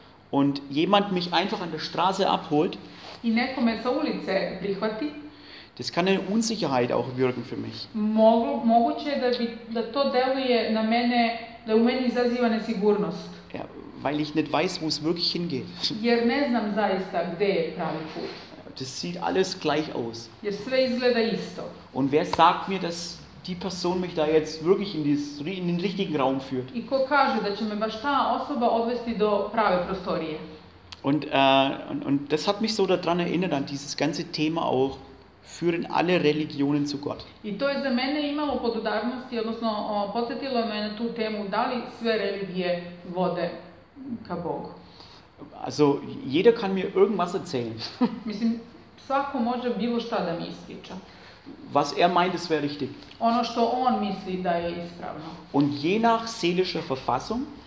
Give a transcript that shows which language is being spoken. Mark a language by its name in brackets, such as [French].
[German] und jemand mich einfach an der Straße abholt, [Serbian] i neko me sa ulice prihvati, [German] das kann eine Unsicherheit auch wirken für mich. [Serbian] Moguće je da to deluje na mene da u meni izaziva nesigurnost. [German] Ja, weil ich nicht weiß, wo es wirklich hingeht. [Serbian] Jer ne znam zaista gde je pravi put. [German] Das sieht alles gleich aus. [Serbian] Jer sve izgleda isto. [German] Und wer sagt mir, dass die Person mich da jetzt wirklich in, dieses, in den richtigen Raum führt? [Serbian] I ko kaže da će me baš ta osoba odvesti do prave prostorije? [German] Und das hat mich so daran erinnert, an dieses ganze Thema auch, führen alle Religionen zu Gott. [Serbian] I to je za mene imalo podudarnost, odnosno podsjetilo me na tu temu, da li sve religije vode ka Bogu. [German] Also jeder kann mir irgendwas erzählen. [Serbian] Mislim, svako može bilo šta da mi ispriča. [German] Was er meint, ist richtig. [Serbian] Ono što on misli da je ispravno. [German] Und je nach seelischer Verfassung.